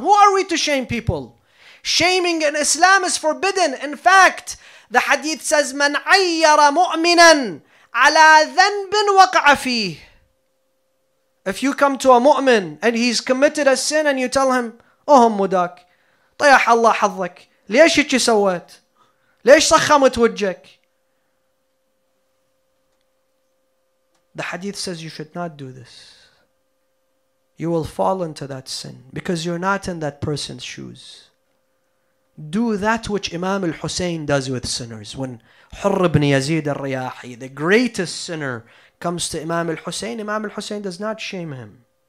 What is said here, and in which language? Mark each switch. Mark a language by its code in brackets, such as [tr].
[en] Who are we to shame people? Shaming in Islam is forbidden. In fact, the hadith says, [ar] مَنْ عَيَّرَ مُؤْمِنًا عَلَىٰ ذَنْبٍ وَقَعَ فِيهِ. [en] If you come to a mu'min and he's committed a sin and you tell him, oh, mudak, [ar] طيح الله حظك. ليش هيك سويت؟ ليش صخمت وجهك؟ [en] The hadith says you should not do this. You will fall into that sin because you're not in that person's shoes. Do that which Imam al-Husayn does with sinners. When Hurr ibn Yazid al-Riyahi, the greatest sinner, comes to Imam al-Husayn, Imam al-Husayn does not shame him.